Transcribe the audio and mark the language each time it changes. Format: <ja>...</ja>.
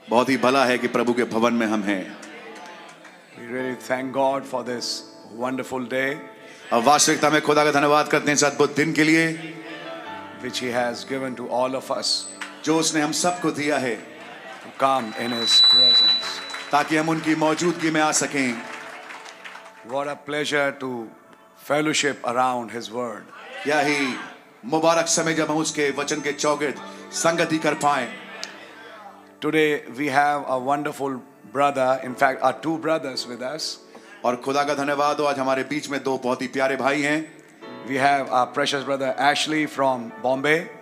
<hi>बहुत ही भला है कि प्रभु के भवन में हम हैं.</hi> <en>We really thank God for this wonderful day.</en> <hi>अब वास्तविकता में खुदा का धन्यवाद करते हैं इस अद्भुत दिन के लिए,</hi> <en>which He has given to all of us.</en> <hi>जो उसने हम सबको दिया है.</hi> <en>To come in His presence.</en> <hi>ताकि हम उनकी मौजूदगी में आ सकें.</hi> <en>What a pleasure to fellowship around His word.</en> <hi>क्या ही मुबारक समय जब हम उसके वचन के चौगिर्द संगति कर पाए.</hi> <en>Today we have a wonderful brother, in fact our two brothers with us.</en> <hi>और खुदा का धन्यवाद हो आज हमारे बीच में दो बहुत ही प्यारे भाई हैं.</hi> <en>We have our precious brother Ashley from Bombay.</en>